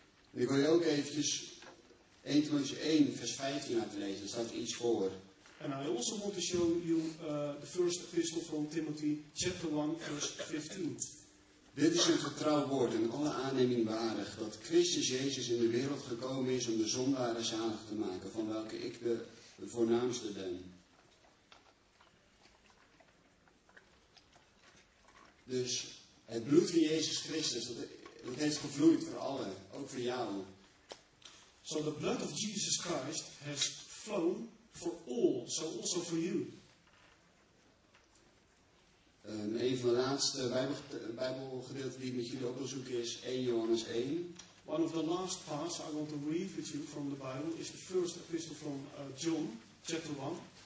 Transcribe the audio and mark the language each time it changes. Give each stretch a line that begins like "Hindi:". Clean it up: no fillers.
Dutch: Ik wil je ook eventjes 1 Timotheus 1, vers 15 laten lezen, daar staat iets voor.
English: And I also want to show you the first epistle from Timothy, chapter 1, verse 15.
Dutch: Dit is een getrouw woord en alle aanneming waardig, dat Christus Jezus in de wereld gekomen is om de zondaren zalig te maken, van welke ik de voornaamste ben. Dus het bloed van Jezus Christus, dat heeft gevloeid voor allen, ook voor jou.
English: So the blood of Jesus Christ has flown for all, so also for you.
Dutch: Een van de laatste Bijbelgedeelten die ik met jullie ook wil zoeken is 1 Johannes 1.
English: One of the last parts I want to read with you from the Bible is the first epistle from John, chapter 1.